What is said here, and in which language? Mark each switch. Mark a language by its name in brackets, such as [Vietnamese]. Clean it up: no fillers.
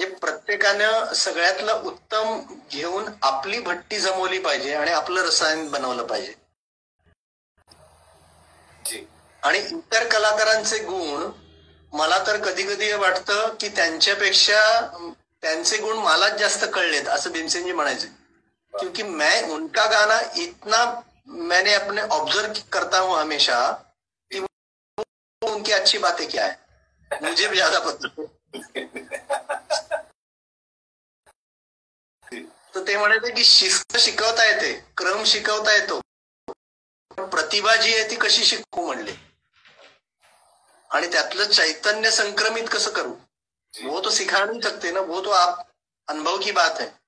[Marathi] प्रत्येकानं सगळ्यातलं उत्तम घेऊन आपली भट्टी जमवली पाहिजे आणि आपलं रसायन बनवलं पाहिजे, आणि इतर कलाकारांचे गुण मला तर कधी कधी वाटतं की त्यांच्यापेक्षा त्यांचे गुण मला जास्त कळलेत, असं भीमसेन जी म्हणायचे। [Hindi] क्योंकि मैं उनका गाना इतना मैंने अपने ऑब्जर्व करता हूं हमेशा कि उनकी अच्छी बातें क्या है, मुझे भी ज्यादा पता। [Marathi] तो ते म्हणे थे कि शिस्त शिकवता येते, क्रम शिकवता येतो, प्रतिभा जी आहे ती कशी शिकू म्हणले। आणि त्यातलं चैतन्य संक्रमित कसं करू, [Hindi] वो तो सिखा नहीं सकते ना, वो तो आप अनुभव की बात है।